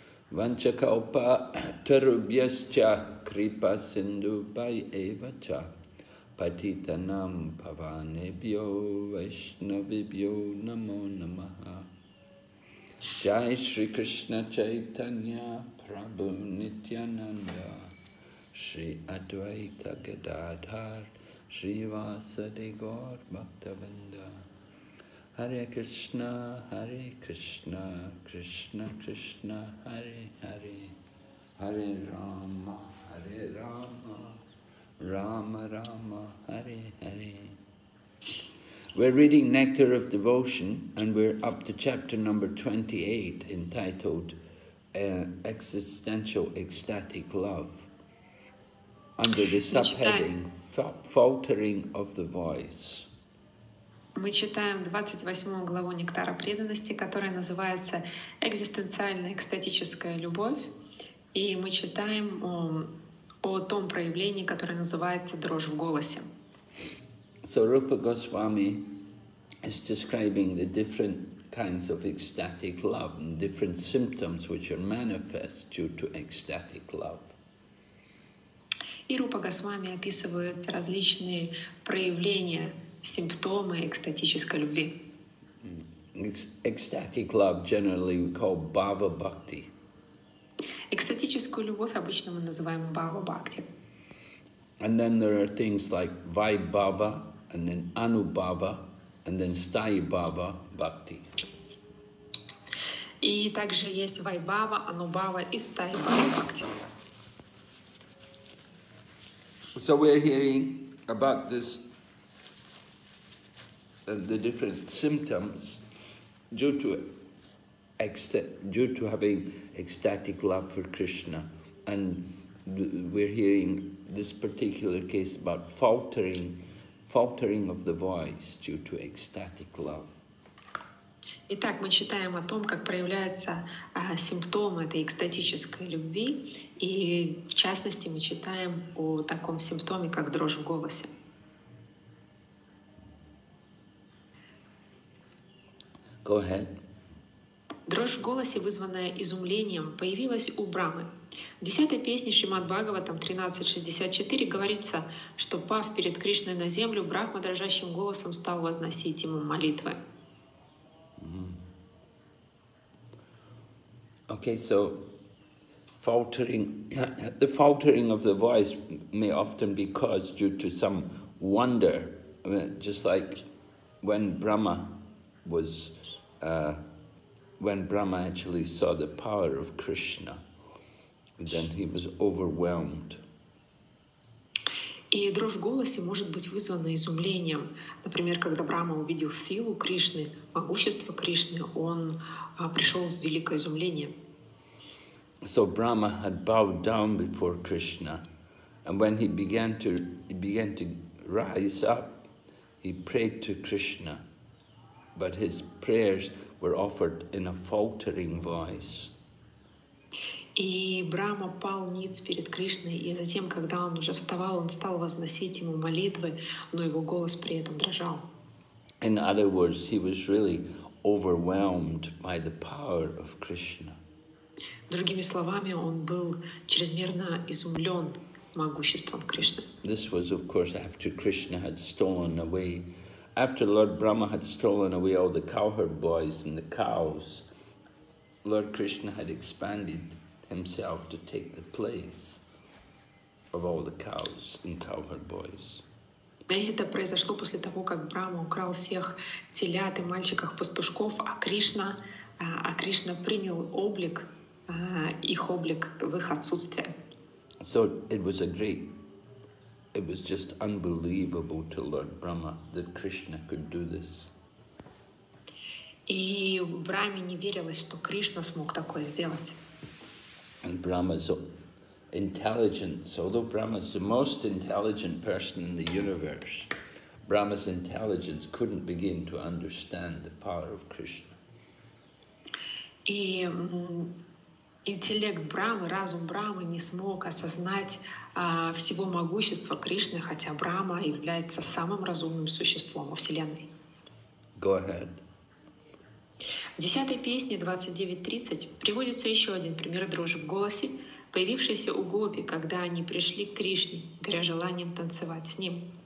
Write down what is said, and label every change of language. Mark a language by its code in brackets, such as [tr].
[sa] Ванчакалпа Тарубьяща Крипа Синду Бай Эвача. Патитанам паванебьо вайшнавибьо намо намаха. Джай Шри Кришна Чайтанья Прабху Нитьянанда. Шри Адвайта Гададхар Шри Васади Гор Бхактавинда. Харе Кришна, Харе Кришна, Кришна Кришна, Харе Харе. Харе Рама, Харе Рама. Rama Rama Hare Hare. [en] We're reading Nectar of Devotion and we're up to chapter number 28 entitled Existential Ecstatic Love under the subheading Faltering of the Voice. [ru] Мы читаем 28 главу Нектара преданности, которая называется Экзистенциальная экстатическая любовь, и мы читаем о том проявлении, которое называется дрожь в голосе. [en] So Rupa Goswami is describing the different kinds of ecstatic love and different symptoms which are manifest due to ecstatic love. [ru] И Рупа Госвами описывает различные проявления, симптомы экстатической любви. [en] Ecstatic love generally we call bhava bhakti. [ru] Экстатическую любовь обычно мы называем бхава-бхакти. [en] And then there are things like вайбхава, and then анубхава, and then стайбхава-бхакти. [ru] И также есть вайбхава, анубхава и стайбхава-бхакти. [en] So we're hearing about this, the different symptoms due to it. Due to having ecstatic love for Krishna, and we're hearing this particular case about faltering of the voice due to ecstatic love. [ru] Итак, мы читаем о том, как проявляются симптомы этой экстатической любви, и в частности мы читаем о таком симптоме, как дрожь в голосе. [en] Go ahead. [ru] Дрожь в голосе, вызванная изумлением, появилась у Брамы. В 10-й песне Шримад-Бхагаватам 13.64 говорится, что, пав перед Кришной на землю, Брахма дрожащим голосом стал возносить ему молитвы. [en] Okay, so faltering, the faltering of the voice may often be caused due to some wonder, just like when Brahma was when Brahma actually saw the power of Krishna, then he was overwhelmed. [ru] И дрожь в голосе может быть вызвана изумлением. Например, когда Брахма увидел силу Кришны, могущество Кришны, он пришел в великое изумление. [en] So Brahma had bowed down before Krishna, and when he began to rise up, he prayed to Krishna, but his prayers were offered in a faltering voice. [ru] И Брахма пал ниц перед Кришной, и затем, когда он уже вставал, он стал возносить ему молитвы, но его голос при этом дрожал. [en] In other words, he was really overwhelmed by the power of Krishna. [ru] Другими словами, он был чрезмерно изумлен могуществом Кришны. [en] This was, of course, after Krishna had stolen away. After Lord Brahma had stolen away all the cowherd boys and the cows, Lord Krishna had expanded himself to take the place of all the cows and cowherd boys. [ru] Это произошло после того, как Брахма украл всех телят и мальчиков пастушков, а Кришна принял облик их облик в их отсутствие. [en] So it was a great. It was just unbelievable to Lord Brahma that Krishna could do this. [ru] И Брахме не верилось, что Кришна смог такое сделать. [en] And Brahma's intelligence, although Brahma's the most intelligent person in the universe, Brahma's intelligence couldn't begin to understand the power of Krishna. [ru] И интеллект Брамы, разум Брамы не смог осознать всего могущества Кришны, хотя Брама является самым разумным существом во Вселенной. [en] Go ahead. [ru] В 10 песне 29.30 приводится еще один пример дрожи в голосе, появившейся у гопи, когда они пришли к Кришне, горя желанием танцевать с ним.